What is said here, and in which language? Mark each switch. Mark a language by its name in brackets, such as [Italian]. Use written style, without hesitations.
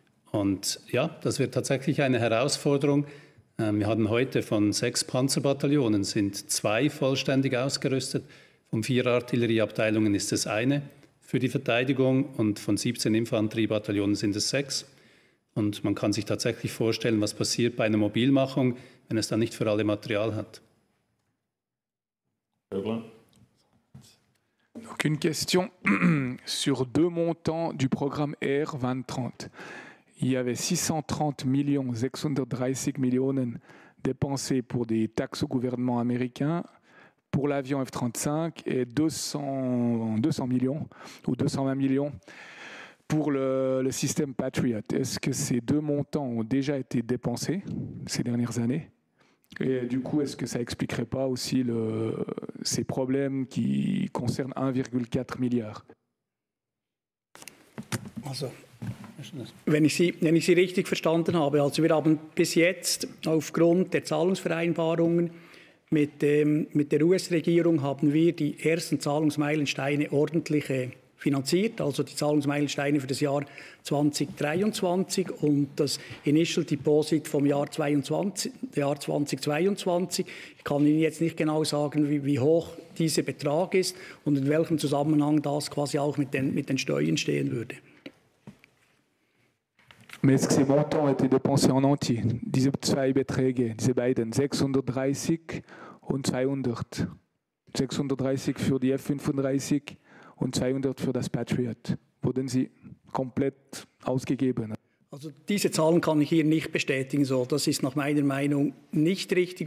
[German] Und ja, das wird tatsächlich eine Herausforderung. Wir haben heute von 6 Panzerbataillonen sind 2 vollständig ausgerüstet. Von 4 Artillerieabteilungen ist es eine für die Verteidigung und von 17 Infanteriebataillonen sind es 6. Und man kann sich tatsächlich vorstellen, was passiert bei einer Mobilmachung, wenn es dann nicht für alle Material hat. [French] Donc une question sur deux montants du programme R 2030. Il y avait 630 millions, 630 millions dépensés pour des taxes au gouvernement américain pour l'avion F-35 et 220 millions pour le système Patriot. Est-ce que ces deux montants ont déjà été dépensés ces dernières années? Et du coup, est-ce que ça n'expliquerait pas aussi ces problèmes qui concernent 1,4 milliard? [German] Also. Wenn ich Sie richtig verstanden habe, also wir haben bis jetzt aufgrund der Zahlungsvereinbarungen mit der US-Regierung haben wir die ersten Zahlungsmeilensteine ordentlich finanziert, also die Zahlungsmeilensteine für das Jahr 2023 und das Initial Deposit vom Jahr 2022. Ich kann Ihnen jetzt nicht genau sagen, wie hoch dieser Betrag ist und in welchem Zusammenhang das quasi auch mit den Steuern stehen würde. [French] Mais est-ce que ces montants ont été dépensés en entier? [German] Diese zwei Beträge, diese beiden, 630 und 200. 630 für die F-35 und 200 für das Patriot. Wurden sie komplett ausgegeben? Also diese Zahlen kann ich hier nicht bestätigen. So, das ist nach meiner Meinung nicht richtig.